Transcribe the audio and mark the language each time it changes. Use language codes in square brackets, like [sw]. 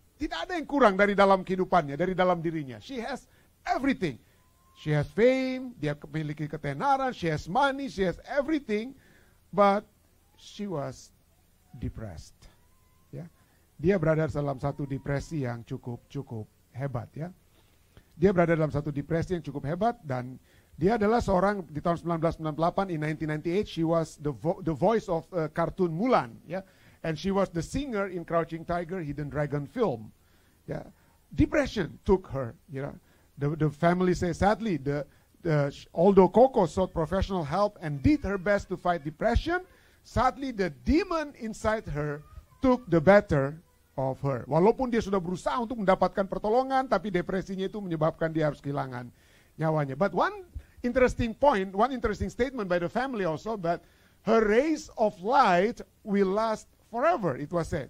[id] Tidak ada yang kurang dari dalam kehidupannya, dari dalam dirinya. [en] She has everything. She has fame, [id] dia memiliki ketenaran, [en] she has money, she has everything, but she was depressed, yeah. [id] Dia berada dalam satu depresi yang cukup hebat, ya. Yeah. Dia berada dalam satu depresi yang cukup hebat, dan dia adalah seorang di tahun 1998, [en] in 1998, she was the voice of cartoon Mulan, yeah, and she was the singer in Crouching Tiger, Hidden Dragon film, yeah. Depression took her, you know. The family says sadly, although Coco sought professional help and did her best to fight depression, sadly the demon inside her took the better of her. [id] Walaupun dia sudah berusaha untuk mendapatkan pertolongan, tapi depresinya itu menyebabkan dia harus kehilangan nyawanya. [en] But one interesting point, one interesting statement by the family also, that her rays of light will last forever, it was said.